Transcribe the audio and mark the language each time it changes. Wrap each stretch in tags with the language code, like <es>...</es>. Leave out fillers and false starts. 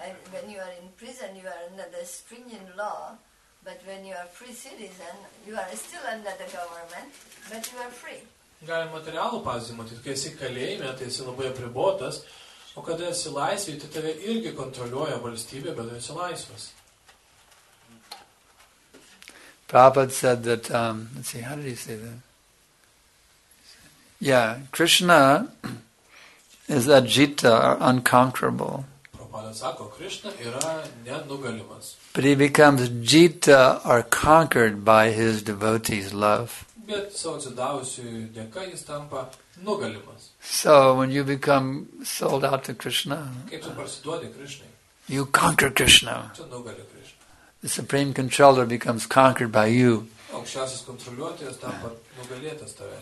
<en>When you are in prison, you are under the stringent law. But when you are free citizen, you are still under the government, but you are free.</en> <lt>Galim materialų pavyzdį matyti, kai esi kalėjime, tai esi labai apribotas, O kada esi laisvė, tai tave irgi kontroliuoja valstybė, bet esi laisvas.</lt> <en>Prabhupada said that, let's see, how did he say that? Yeah, Krishna is ajita, or unconquerable.</en> <lt>Prabhupada sako, Krishna yra nenugalimas.</lt> <en>But he becomes jita, or conquered by his devotees' love.</en> <lt>Bet savo atsidavusių dėka jis tampa nugalimas.</lt> <en>So when you become sold out to Krishna,</en> <lt>kaip tu parsiduodi Krishnai,</lt> <en>you conquer Krishna.</en> <lt>Tu nugali Krishna.</lt> <en>The supreme controller becomes conquered by you.</en> <lt>Aukščiausias kontroliuotojas tampa nugalėtas tavęs.</lt>